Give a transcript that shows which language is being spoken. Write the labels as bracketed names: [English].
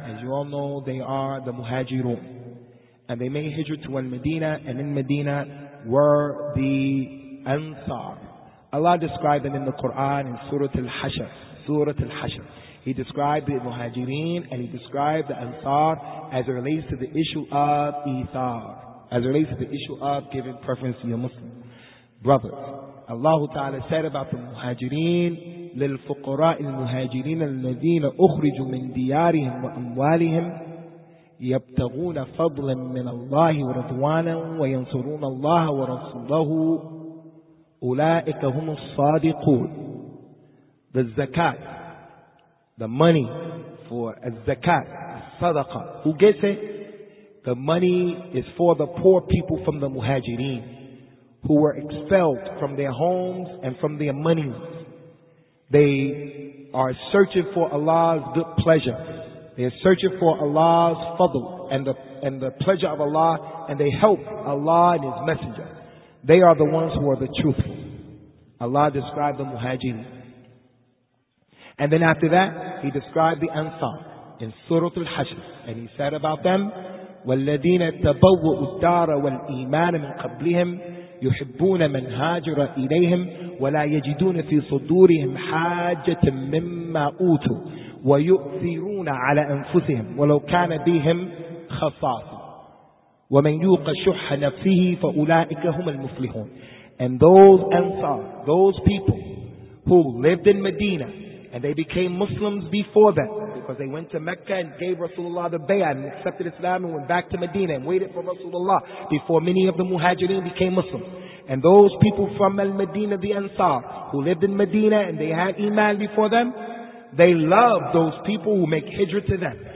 [English] As you all know, they are the Muhajirun. And they made hijrah to Al-Madina, and in Medina were the Ansar. Allah described them in the Quran in Surah Al-Hashr. Surah Al-Hashr. He described the Muhajirin and he described the Ansar as it relates to the issue of Ithar. As it relates to the issue of giving preference to your Muslim brothers. Allah Ta'ala said about the Muhajirin, [Arabic] لِلْفُقُرَىٰ الْمُهَاجِرِينَ الَّذِينَ أُخْرِجُوا مِنْ دِيَارِهِمْ وَأَمْوَالِهِمْ يَبْتَغُونَ فَضْلًا مِنَ اللَّهِ وَرَضْوَانًا وَيَنْصُرُونَ اللَّهَ وَرَسُولَهُ أُولَٰئِكَ هُمُ الصَّادِقُونَ. [English] The zakat, the money for a zakat, sadaqa. Who gets it? The money is for the poor people from the muhajirin who were expelled from their homes and from their money. They are searching for Allah's good pleasure. They are searching for Allah's fadl and the pleasure of Allah, and they help Allah and His Messenger. They are the ones who are the truthful. Allah described the Muhajirin. And then after that, He described the Ansar in Surah Al-Hashr. And He said about them, [Arabic] وَالَّذِينَ تَبَوَّؤُوا الدَّارَ وَالْإِيمَانَ مِنْ قَبْلِهِمْ يُحِبُّونَ مَنْ هَاجَرَ إِلَيْهِمْ وَلَا يَجِدُونَ فِي صُدُورِهِمْ حَاجَةً مِمَّا أُوتُوا وَيُؤْثِرُونَ عَلَى أَنفُسِهِمْ وَلَوْ كَانَ بِهِمْ خَصَاصَةٌ وَمَنْ يُوقَ شُحَّ نَفْسِهِ فَأُولَٰئِكَ هُمُ الْمُفْلِحُونَ. [English] And those Ansar, those people who lived in Medina and they became Muslims before that, because they went to Mecca and gave Rasulullah the bayah and accepted Islam and went back to Medina and waited for Rasulullah before many of the Muhajirin became Muslims. And those people from Al-Madina, the Ansar, who lived in Medina and they had Iman before them, they love those people who make hijrah to them.